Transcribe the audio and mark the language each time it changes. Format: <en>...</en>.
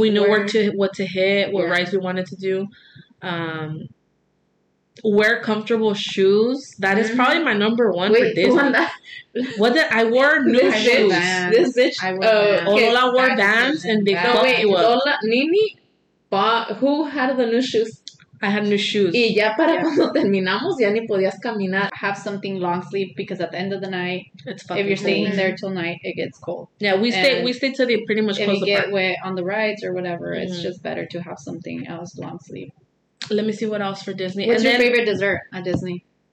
<en>We knew what to hit, what rides we wanted to do. Wear comfortable shoes. That is probably my number one for Disney. I wore new shoes. I wore Ola wore Vans and they thought it was. Nini bought, who had the new shoes? I had new shoes.</en> <es>Y ya para cuando terminamos, ya ni podías caminar.</es> <en>Have something long sleeve, because at the end of the night, it's fucking if you're cold. Staying there till night, it gets cold. Yeah, we stay till they pretty much close the park. If you get wet on the rides or whatever, mm-hmm. it's just better to have something else long sleeve. Let me see what else for Disney. What's your favorite dessert at Disney?</en>